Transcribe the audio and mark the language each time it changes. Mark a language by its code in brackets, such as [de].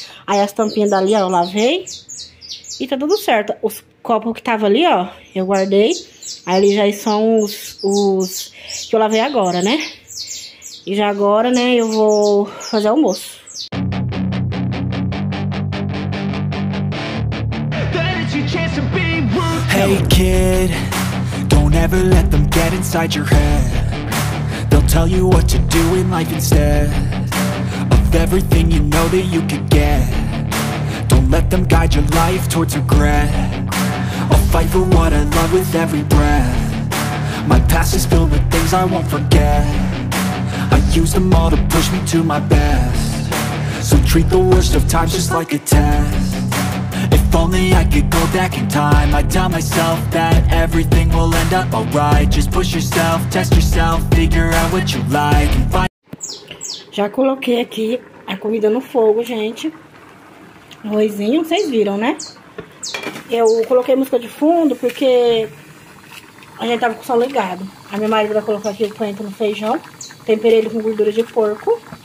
[pt] Aí as tampinhas dali, ó, eu lavei. E tá tudo certo. Os copos que tava ali, ó, eu guardei. Aí ali já são os que eu lavei agora, né? E já agora, né, eu vou fazer almoço. [en] Hey kid, don't ever let them get inside your head. They'll tell you what to do in life instead of everything you know that you could get. Don't let them guide your life towards regret. I'll fight for what I love with every breath. My past is filled with things I won't forget. I use them all to push me to my best. So treat the worst of times just like a test. If only I could go back in time, I'd tell myself that everything will end up alright. Just push yourself, test yourself, figure out what you like and find. [pt] Já coloquei aqui a comida no fogo, gente. Arrozinho, vocês viram, né? Eu coloquei música de fundo porque a gente tava com o sol ligado. A minha marido vai colocar aqui o coentro no feijão. Temperei ele com gordura de porco.